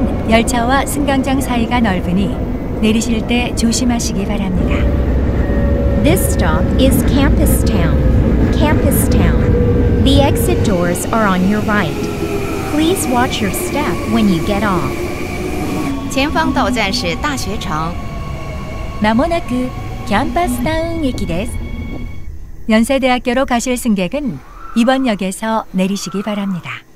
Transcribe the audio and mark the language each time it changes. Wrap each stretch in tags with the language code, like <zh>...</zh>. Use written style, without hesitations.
<ko>열차와 승강장 사이가 넓으니 내리실 때 조심하시기 바랍니다.</ko> <en>This stop is Campus Town. Campus Town. The exit doors are on your right. Please watch your step when you get off.</en> <zh>前方到站是大学城.</zh> <ja>나모나크 캠퍼스타운 駅です.</ja> <ko>연세대학교로 가실 승객은 이번 역에서 내리시기 바랍니다.</ko>